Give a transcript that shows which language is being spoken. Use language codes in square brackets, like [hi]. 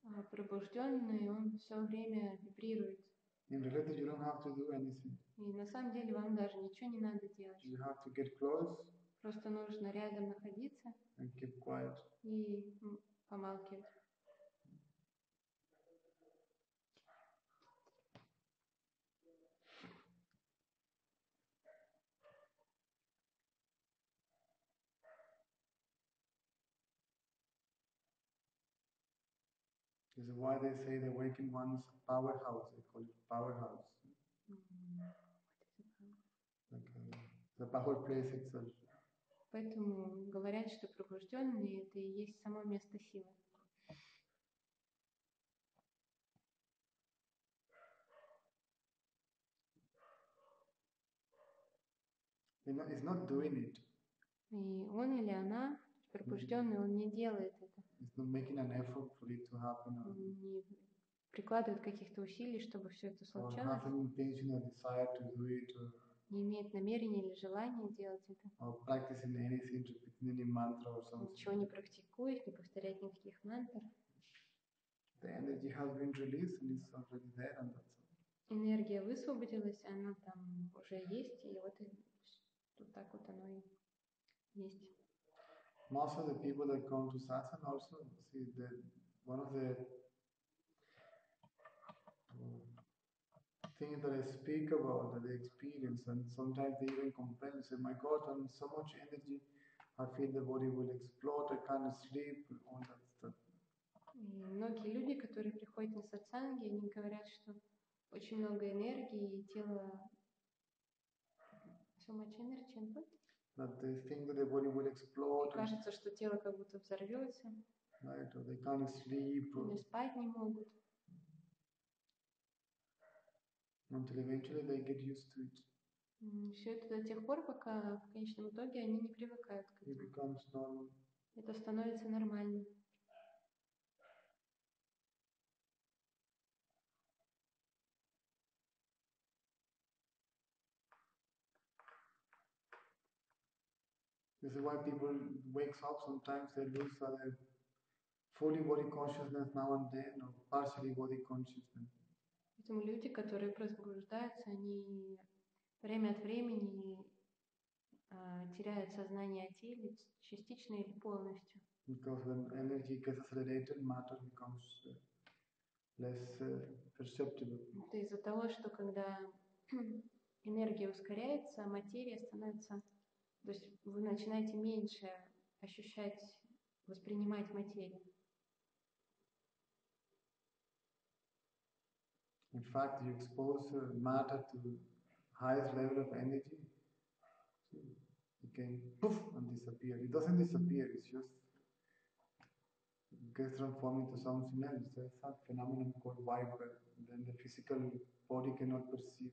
[ru] Пробужденный, он все время вибрирует. [en] In reality, you don't have to do anything. [ru] И на самом деле вам даже ничего не надо делать. [en] You have to get close. [ru] Просто нужно рядом находиться. [en] And keep quiet. [ru] И помалкивать. [en] This is why they say the awakened one's powerhouse. They call it powerhouse. What is a powerhouse? Like the power place itself. [ru] Поэтому говорят, что пробужденные — это и есть само место силы. [en] He's not doing it. [ru] И он или она пробужденный, он не делает это. [en] He's not making an effort for it to happen. [ru] Не прикладывает каких-то усилий, чтобы все это случалось. [en] Or having intention or desire to do it. Or [ru] не имеет намерения или желания делать это. [en] Or practicing anything, repeating any mantra or something. [ru] Ничего не практикует, не повторяет никаких мантр. [en] The energy has been released and it's already there, and that's all. [ru] Энергия высвободилась, она там уже есть, и вот тут так вот оно и есть. [en] Most of the people that come to Satsang also see that one of the things that I speak about, that they experience, and sometimes they even complain, say, my God, I'm so much energy, I feel the body will explode, I can't sleep, all that stuff. [ru] И многие люди, которые приходят на сатсанги, они говорят, что очень много энергии, и тело... [en] So much energy and what? That they think that the body will explode. [ru] И кажется, что тело как будто взорвется. [en] Right, or they can't sleep. [ru] Они спать не могут. [en] Until eventually they get used to it. [ru] Все это до тех пор, пока в конечном итоге они не привыкают к этому. [en] It becomes normal. [ru] Это становится нормальным. [en] This is why people wake up sometimes, they lose their fully body consciousness now and then, or partially body consciousness. [ru] Поэтому люди, которые пробуждаются, они время от времени теряют сознание о теле, частично или полностью. [en] Because when energy gets accelerated, matter becomes less perceptible. [ru] Это из-за того, что когда энергия ускоряется, материя становится... То есть вы начинаете меньше ощущать, воспринимать материю. [en] In fact, you expose matter to highest level of energy, it can poof and disappear. It doesn't disappear, it's just gets transformed into something else. There's a phenomenon called vibra, then the physical body cannot perceive